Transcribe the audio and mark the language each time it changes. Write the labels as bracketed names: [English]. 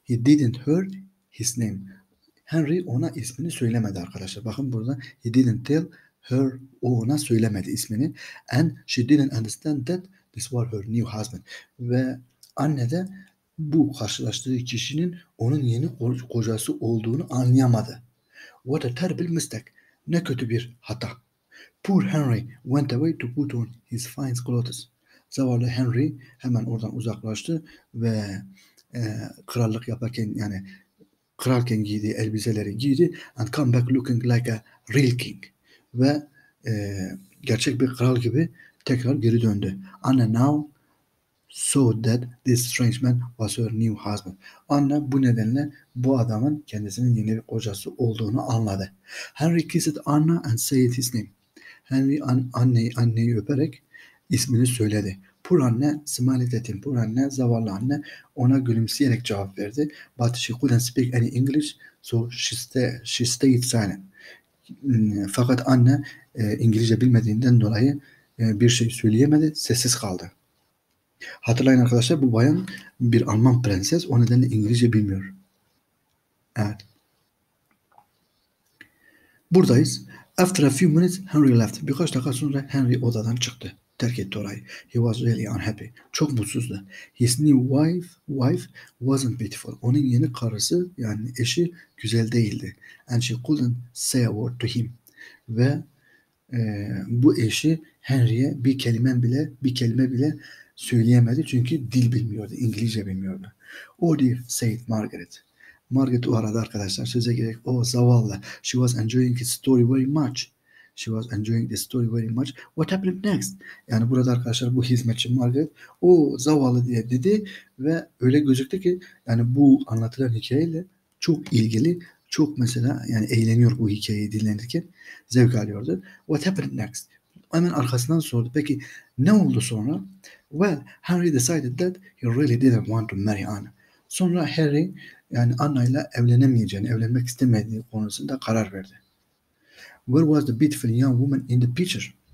[English] He didn't tell his name. [Turkish] Henry ona ismini söylemedi arkadaşlar. Bakın burada [English] he didn't tell her, [Turkish] o ona söylemedi ismini. [English] And she didn't understand that this was her new husband. [Turkish] Ve anne de bu karşılaştığı kişinin onun yeni kocası olduğunu anlayamadı. [English] What a terrible mistake. [Turkish] Ne kötü bir hata. [English] Poor Henry went away to put on his fine clothes. [Turkish] Zavallı Henry hemen oradan uzaklaştı ve krallık yaparken, yani kralken giydiği elbiseleri giydi [English] and come back looking like a real king. [Turkish] Ve gerçek bir kral gibi tekrar geri döndü. [English] Anna now saw that this strange man was her new husband. [Turkish] Anna bu nedenle bu adamın kendisinin yeni bir kocası olduğunu anladı. [English] Henry kissed Anna and said his name. [Turkish] Henry anneyi öperek ismini söyledi. [English] Poor anne smiled at him. Poor anne, [Turkish] zavallı anne, ona gülümseyerek cevap verdi. [English] But she couldn't speak any English, so she stayed silent. [Turkish] Fakat anne İngilizce bilmediğinden dolayı bir şey söyleyemedi, sessiz kaldı. Hatırlayın arkadaşlar, bu bayan bir Alman prenses, o nedenle İngilizce bilmiyor. Evet. Buradayız. [English] After a few minutes, Henry left. [Turkish] Birkaç dakika sonra Henry odadan çıktı. Terk etti orayı. [English] He was really unhappy. [Turkish] Çok mutsuzdu. [English] His new wife wasn't beautiful. [Turkish] Onun yeni karısı, yani eşi, güzel değildi. [English] And she couldn't say a word to him. [Turkish] Ve bu eşi Henry'e bir kelime bile söyleyemedi. Çünkü dil bilmiyordu. İngilizce bilmiyordu. [English] Oh dear, said Margaret. [Turkish] Margaret o arada arkadaşlar söze gerek. Oh, zavallı. [English] She was enjoying the story very much. She was enjoying the story very much. What happened next? [Turkish] Yani burada arkadaşlar bu hizmetçi Margaret o zavallı diye dedi ve öyle gözüktü ki yani bu anlatılan hikayeyle çok ilgili, çok mesela yani eğleniyor bu hikayeyi dinlenirken, zevk alıyordu. [English] What happened next? [Turkish] Hemen arkasından sordu. Peki ne oldu sonra? [English] Well, Henry decided that he really didn't want to marry Anna. [Turkish] Sonra Harry yani Anna'yla evlenemeyeceğini, evlenmek istemediği konusunda karar verdi. [English] Where was the beautiful young woman in the picture?